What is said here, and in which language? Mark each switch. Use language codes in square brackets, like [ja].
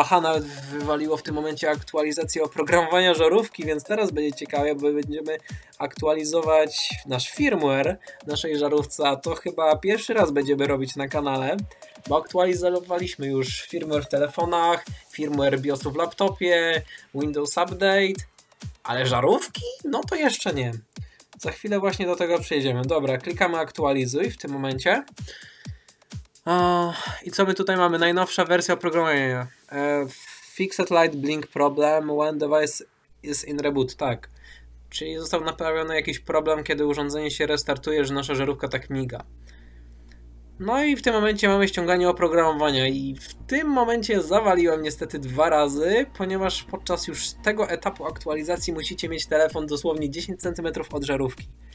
[pl] Aha, nawet wywaliło w tym momencie aktualizację oprogramowania żarówki, więc teraz będzie ciekawie, bo będziemy aktualizować nasz firmware naszej żarówce, a to chyba pierwszy raz będziemy robić na kanale, bo aktualizowaliśmy już firmware w telefonach, firmware BIOS-u w laptopie, Windows Update, ale żarówki? No to jeszcze nie. Za chwilę właśnie do tego przejdziemy. Dobra, klikamy aktualizuj w tym momencie. I co my tutaj mamy? Najnowsza wersja oprogramowania. [en] Fixed light blink problem when device is in reboot. [pl] Tak. Czyli został naprawiony jakiś problem, kiedy urządzenie się restartuje, że nasza żarówka tak miga. No i w tym momencie mamy ściąganie oprogramowania i w tym momencie zawaliłem niestety dwa razy, ponieważ podczas już tego etapu aktualizacji musicie mieć telefon dosłownie 10 cm od żarówki.